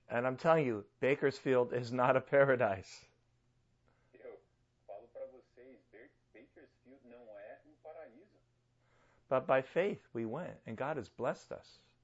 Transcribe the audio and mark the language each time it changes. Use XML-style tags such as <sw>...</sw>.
<en>And I'm telling you, Bakersfield is not a paradise.</en> <pt>Eu falo para vocês, Bakersfield não é um paraíso.</pt> <en>But by faith we went, and God has blessed us.</en>